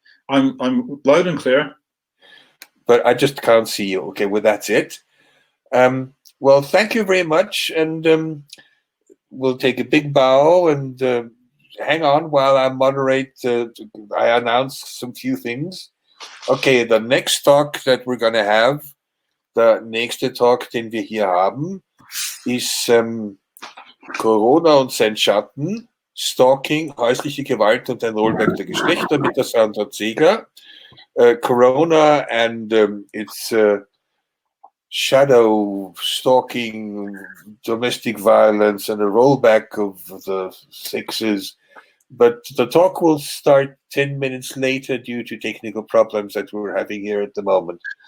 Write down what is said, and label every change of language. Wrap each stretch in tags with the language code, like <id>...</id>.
<en>I'm loud and clear. But I just can't see you. Okay, well, that's it. Well, thank you very much, and we'll take a big bow and hang on while I moderate. I announce some few things.</en> <de>Okay, the next talk that we're going to have, the nächste Talk, den wir hier haben, ist Corona und sein Schatten, Stalking, häusliche Gewalt und ein Rollback der Geschlechter mit der Sandra Zeger.</de> <en>Corona and its shadow stalking, domestic violence, and a rollback of the sexes. But the talk will start 10 minutes later due to technical problems that we're having here at the moment.</en>